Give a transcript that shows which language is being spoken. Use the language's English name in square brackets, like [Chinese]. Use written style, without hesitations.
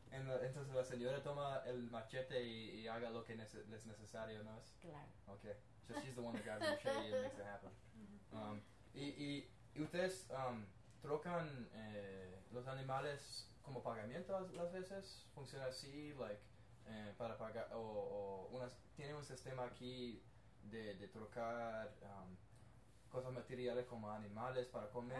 [Spanish] Entonces la señora toma el machete y haga lo que es necesario, ¿no es? Claro. [English] Okay. So she's the one that grabs the machete and makes it happen. [Spanish] Y ustedes trocan los animales como pagamiento las veces, funciona así, like para pagar o unas tiene un sistema aquí de trocar cosas materiales como animales para comer